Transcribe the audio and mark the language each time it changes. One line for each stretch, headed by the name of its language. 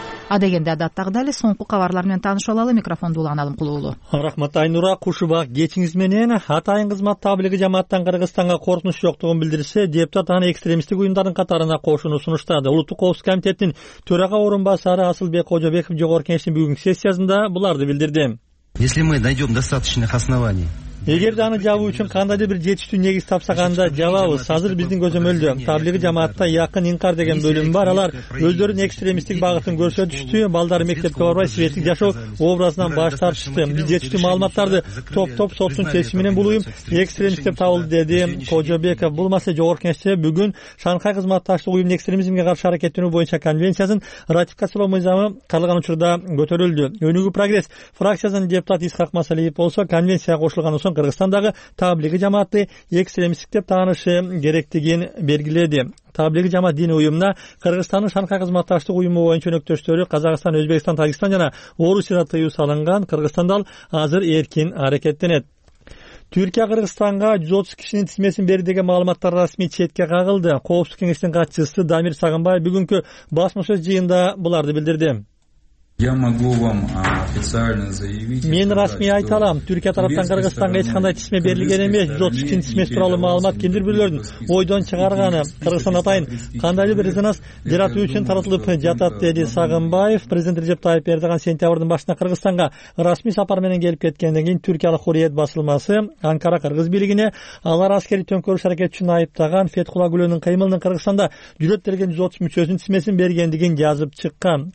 Kyrgyz: Адегенде адаттагыдай эле соңку кабарлар менен таанышалы, микрофонду улан алым кулуулу. Рахмат Айнура, куш убак кечиңиз менен. Атайын кызмат таблиги жамааттан Кыргызстанга коркунуч жоктугун билдирсе, депутат аны экстремисттик уюмдардын катарына кошууну сунуштады. Улуттук коопсуздук комитетинин төрага орун басары Асылбек Кожобеков жогорку кеңештин бүгүнкү сессиясында буларды билдирди.
Russian: Если мы найдем достаточных оснований,
Kyrgyz: эгерде аны жабуу үчүн кандайдыр бир жетиштүү негиз тапсак, анда жабабыз. Азыр биздин көзөмөлдө таблиги жамаатта Якын Инкар деген бөлүм бар. Алар өздөрүнүн экстремисттик багытын көрсөтүштү. Балдары мектепке барбай светтик жашоо образынан баш тартышты. Биз жетиштүү маалыматтарды топтоп соттун чечимине бул уюм экстремист деп табылды, деди Кожобеков. Бул маселе жогорку кеңеште бүгүн Шанхай кызматташтык уюмунун экстремизмге каршы аракеттенүү боюнча конвенциясын ратификациялоо мыйзамы каралган учурда көтөрүлдү. Өнүгүү прогресс фракциясынын депутаты Исхак Масалиев болсо, конвенцияга кошулган соң Кыргызстандагы таблиги жамаатты экстремисттик деп таанышы керектигин белгиледи. Таблиги жамаат дин уюмуна Кыргызстандын Шанхай кызматташтык уюму боюнча өнөктөштөрү Казакстан, Өзбекстан, Таджикстан жана Орусияда тыюу салынган. Кыргызстанда ал азыр эркин аракеттенет. Түркия Кыргызстанга 130 кишинин тизмесин берди деген маалыматтар расмий четке кагылды. Коопсуздук кеңештин катчысы Дамир Сагынбаев бүгүнкү басма сөз жыйында буларды билдирди.
Russian: Я могу вам официально заявить.
Kyrgyz: Мен расмий айта алам. Түркия тараптан Кыргызстанга эч кандай тизме берилген эмес. 132 тизме тууралуу маалымат кимдир бүлөрдүн ойдон чыгарганы Кыргызстан атайын кандайдыр бир резонанс жаратуу үчүн таратылып жатат, деди Сагынбаев. Президент Режеп Тайып Эрдоган сентябрдын башында Кыргызстанга расмий сапар менен келип кеткенден кийин Түркиялык Хурриет басылмасы Анкара кыргыз бийлигине алар аскерий төңкөрүш аракети үчүн айыптаган Фетхулла Гүлөнүн кыймылынын Кыргызстанда жүрөт берген 130 мүчөсүнүн тизмесин бергендигин жазып чыккан.